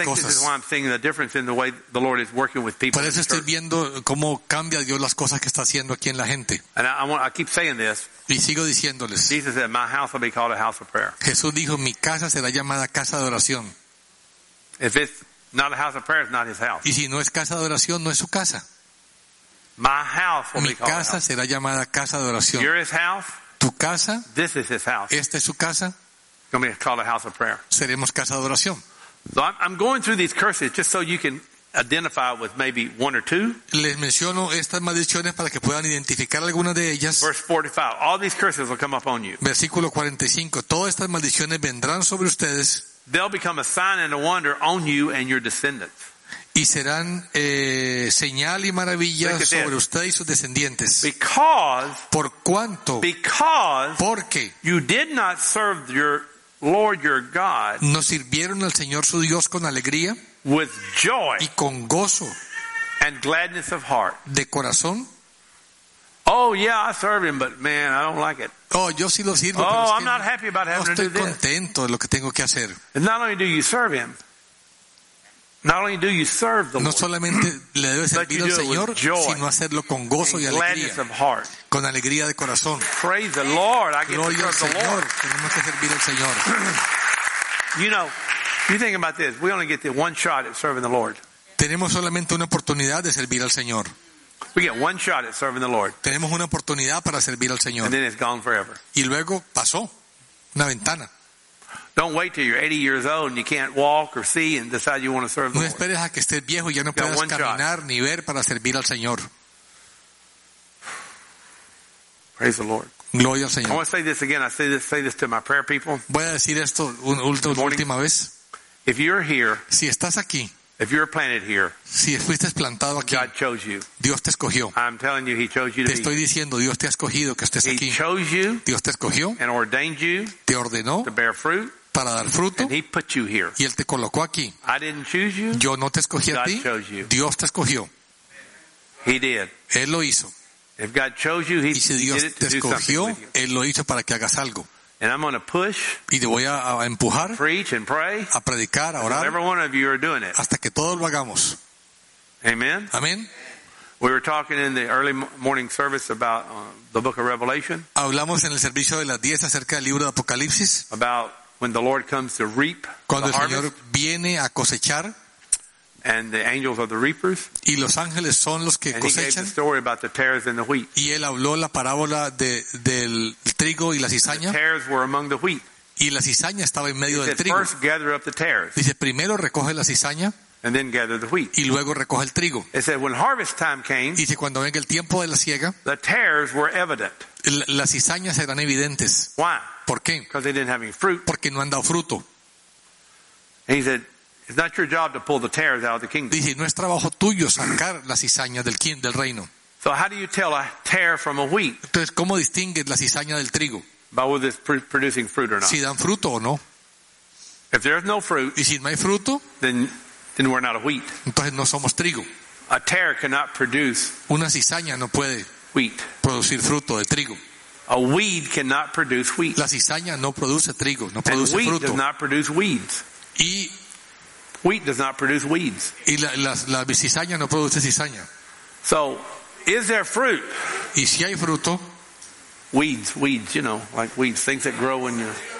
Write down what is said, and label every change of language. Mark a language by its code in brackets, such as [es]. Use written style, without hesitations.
[en] I think this is why I'm seeing the difference in the way the Lord is working with people. [es] Por eso estoy viendo cómo cambia Dios las cosas que está haciendo aquí en la gente. [en] And I keep saying this. [es] Y sigo diciéndoles. [en] Jesus said, "My house will be called a house of prayer." [es] Jesús dijo, "Mi casa será llamada casa de oración." [en] If it's not a house of prayer, it's not his house. [es] Y si no es casa de oración, no es su casa. [en] My house will [es] Mi casa será llamada casa de oración. [en] Your house, [es] tu casa, [en] this is his house. [es] Esta es su casa. [en] Going to be called a house of prayer. [es] Seremos casa de oración. [en] So I'm going through these curses just so you can identify with maybe one or two. [es] Les menciono estas maldiciones para que puedan identificar algunas de ellas. [en] Verse 45. All these curses will come upon you. [es] Versículo 45. Todas estas maldiciones vendrán sobre ustedes. [en] They'll become a sign and a wonder on you and your descendants. [es] Y serán señal y maravilla sobre usted y sus descendientes. [en] Because, [es] por cuanto, [en] because [es] porque [en] you did not serve your Lord your God, [es] no sirvieron al Señor su Dios con alegría, [en] with joy, [es] y con gozo, [en] and gladness of heart, [es] de corazón. [en] Oh yeah, I serve him, but man, I don't like it. [es] Oh, yo sí lo sirvo. [en] Oh, [es] pero [en] I'm not happy about having [es] no [en] to do this. [es] Estoy contento de lo que tengo que hacer. [en] And not only do you serve him. Not only do you serve the Lord, [es] no solamente le debes servir al Señor, sino hacerlo con gozo y alegría, con alegría de corazón. [en] Praise the Lord, I get to serve the Lord. [es] Tenemos que servir al Señor. [en] You know, you think about this. We only get the one shot at serving the Lord. [es] Tenemos solamente una oportunidad de servir al Señor. [en] We get one shot at serving the Lord. [es] Tenemos una oportunidad para servir al Señor. [en] And then it's gone forever. [es] Y luego pasó una ventana. [en] Don't wait till you're 80 years old and you can't walk or see and decide you want to serve the Lord. [es] No esperes a que estés viejo y ya no puedas caminar ni ver para servir al Señor. [en] Praise the Lord. [es] Gloria al Señor. [en] I want to say this again. I say this to my prayer people. [es] Voy a decir esto última vez. [en] If you're here, [es] si estás aquí, [en] if you're planted here, [es] si fuiste plantado aquí, [en] God chose you. [es] Dios te escogió. [en] I'm telling you, He chose you to [es] be. Te estoy diciendo, Dios te ha escogido que estés aquí. [en] He chose you. [es] Dios te escogió. [en] And ordained you. [es] Te ordenó. [en] To bear fruit. [es] Para dar fruto. [en] And he put you here. [es] Y él te colocó aquí. [en] I didn't choose you. [es] Yo no te escogí [en] God [es] a ti. [en] Chose you. [es] Dios te escogió. [en] He did. [es] Él lo hizo. [en] If God chose you, he [es] y si Dios [en] did [es] te escogió, Él lo hizo para que hagas algo. [en] And I'm going to push. [es] Y te voy a empujar. [en] Preach and pray. [es] A predicar, a orar. [en] Every one of you are doing it. [es] Hasta que todos lo hagamos. [en] Amen. Amen. We were talking in the early morning service about the book of Revelation. [es] Hablamos en el servicio de las 10 acerca del libro de Apocalipsis. [en] About when the Lord comes to reap, [es] cuando [en] the [es] el Señor [en] harvest, [es] viene a cosechar, [en] and the angels are the reapers, [es] y los ángeles son los que [en] and [es] cosechan, [en] he gave the story about the tares and the wheat. [es] Y él habló la parábola del trigo y la cizaña. [en] The tares were among the wheat. [es] Y la cizaña estaba en medio [en] he [es] del [en] said, [es] trigo. [en] First gather up the tares. [es] Dice, primero recoge la cizaña, [en] and then gather the wheat. [es] Y luego recoge el trigo. [en] It said, when harvest time came, [es] dice, cuando venga el tiempo de la siega, [en] the tares were evident. [es] Las cizañas eran evidentes. [en] Why? [es] ¿Por qué? [en] Because they didn't have any fruit. [es] Porque no han dado fruto. [en] He said, "It's not your job to pull the tares out of the kingdom." [es] Dice, no es trabajo tuyo sacar las cizañas del reino. [en] So how do you tell a tare from a wheat? [es] Entonces, ¿cómo distingues la cizaña del trigo? [en] By whether it's producing fruit or not. [es] Si dan fruto o no. [en] If there's no fruit, [es] y si no hay fruto, [en] then we're not a wheat. [es] Entonces no somos trigo. [en] A tare cannot produce. [es] Una cizaña no puede [en] wheat. [es] Producir fruto de trigo. [en] A weed cannot produce wheat. [es] La cizaña no produce trigo, no produce [en] wheat [es] fruto. [en] Wheat does not produce weeds. [es] Y [en] wheat does not produce weeds. [es] Y la cizaña no produce cizaña. [en] So, is there fruit? [es] Y si hay fruto. [en] Weeds, you know, like weeds, things that grow in your.